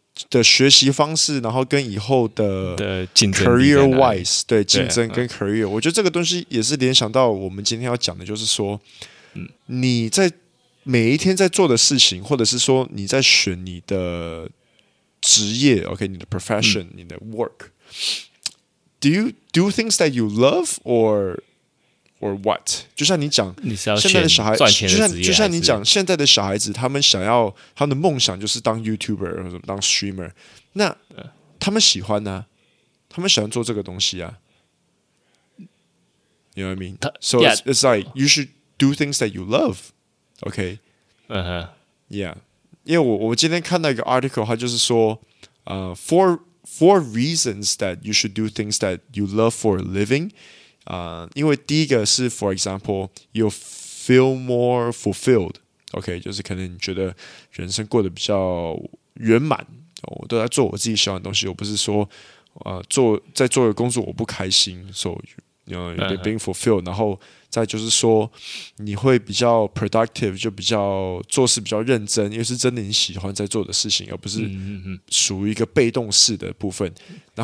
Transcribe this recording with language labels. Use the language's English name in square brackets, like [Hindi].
[Chinese] 的学习方式，然后跟以后的 [English] career wise [Chinese] 对竞争跟 career， 我觉得这个东西也是联想到我们今天要讲的，就是说你在每一天在做的事情，或者是说你在选你的职业 ，OK， 你的 profession，你的 work， [English] do you do things that you love or what？ [Chinese] 就像你讲，你是要现在的小孩赚钱的职业，就像你讲，现在的小孩子，他们想要他们的梦想就是当 YouTuber 或者当 Streamer， 那他们喜欢呢、啊？他们喜欢做这个东西啊？ [English] You know what I mean？ So it's like you should do things that you love， OK？嗯哼，Yeah， [Chinese] 因为我今天看到一个 article， 它就是说 [English] four reasons that you should do things that you love for a living。 [Chinese] 因为第一个是 [English] for example you feel more fulfilled， [Chinese] OK， 就是可能你觉得人生过得比较圆满，我都在做我自己喜欢的东西，我不是说在做的工作我不开心， [English] so you're being fulfilled、 [Chinese] uh-huh. 然后再就是说你会比较 productive， 就比较做事比较认真，因为是真的你喜欢在做的事情，而不是属于一个被动式的部分、uh-huh.